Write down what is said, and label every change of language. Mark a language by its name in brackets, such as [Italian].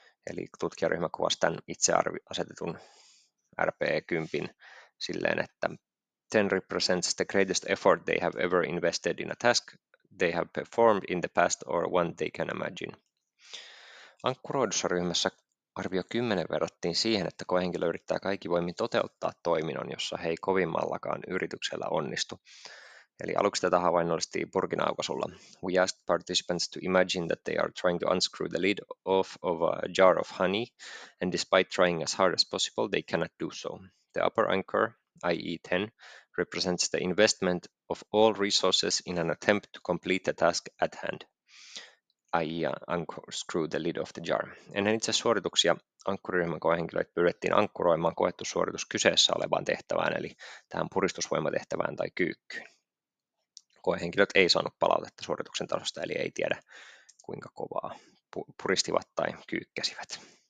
[Finnish] Eli tutkijaryhmä kuvasi tämän itse asetetun RPE-kympin silleen, että 10 [English] represents the greatest effort they have ever invested in a task they have performed in the past or one they can imagine. [Finnish] Ankkuroidussa ryhmässä arvio 10 verrattiin siihen, että koehenkilö yrittää kaikki voimin toteuttaa toiminnon, jossa he ei kovimmallakaan yrityksellä onnistu. Eli aluksi tätä havainnollistiin purkin aukasulla. [English] We asked participants to imagine that they are trying to unscrew the lid off of a jar of honey, and despite trying as hard as possible, they cannot do so. The upper anchor, i.e. 10, represents the investment of all resources in an attempt to complete the task at hand, i.e. unscrew the lid of the jar. [Finnish] Ennen itse suorituksia ankkuriryhmän koehenkilöitä pyydettiin ankkuroimaan koettu suoritus kyseessä olevaan tehtävään, eli tähän puristusvoimatehtävään tai kyykkyyn. Koehenkilöt ei saanut palautetta suorituksen tasosta, eli ei tiedä kuinka kovaa puristivat tai kyykkäsivät.